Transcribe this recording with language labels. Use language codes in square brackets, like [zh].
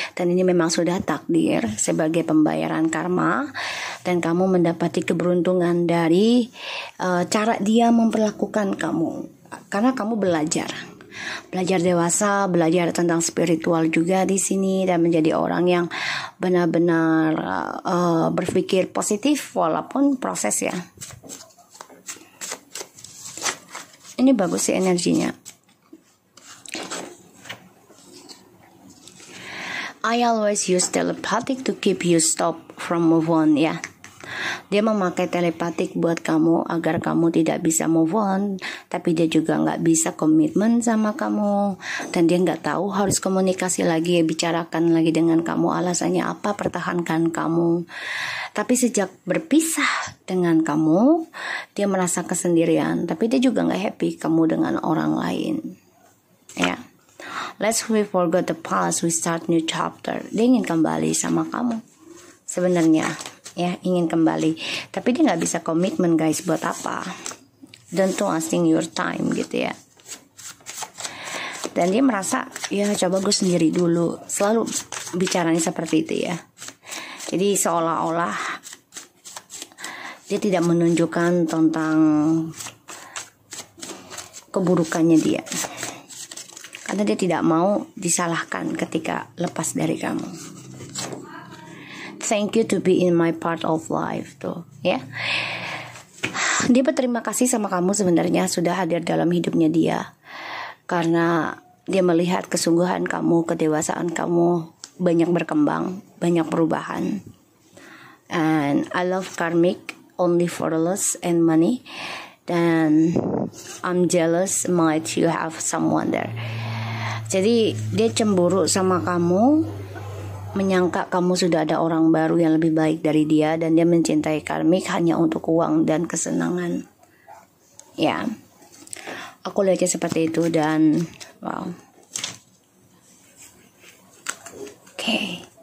[id] Dan ini memang sudah takdir sebagai pembayaran karma, dan kamu mendapati keberuntungan dari cara dia memperlakukan kamu, karena kamu belajar dewasa, belajar tentang spiritual juga di sini, dan menjadi orang yang benar-benar berpikir positif walaupun proses, ya. Ini bagus sih energinya. [en] I always use telepathic to keep you stop from move on, ya. [id] dia memakai telepatik buat kamu agar kamu tidak bisa move on, tapi dia juga gak bisa komitmen sama kamu, dan dia gak tahu harus komunikasi lagi, bicarakan lagi dengan kamu alasannya apa, pertahankan kamu. Tapi sejak berpisah dengan kamu, dia merasa kesendirian, tapi dia juga gak happy kamu dengan orang lain. [en] Ya, let's we forget the past, we start new chapter. [id] Dia ingin kembali sama kamu sebenarnya, ya, ingin kembali, tapi dia gak bisa komitmen, guys, buat apa. Don't wasting your time, gitu ya. Dan dia merasa, ya coba gue sendiri dulu. Selalu bicaranya seperti itu ya. Jadi seolah-olah dia tidak menunjukkan tentang keburukannya dia, karena dia tidak mau disalahkan ketika lepas dari kamu. Thank you to be in my part of life tuh, ya. Dia berterima kasih sama kamu sebenarnya sudah hadir dalam hidupnya dia, karena dia melihat kesungguhan kamu, kedewasaan kamu banyak berkembang, banyak perubahan. [en] And I love karmic only for lust and money. Dan I'm jealous might you have someone there. [id] Jadi dia cemburu sama kamu, menyangka kamu sudah ada orang baru yang lebih baik dari dia, dan dia mencintai karmik hanya untuk uang dan kesenangan. Ya, aku lihatnya seperti itu. Dan wow, oke, okay.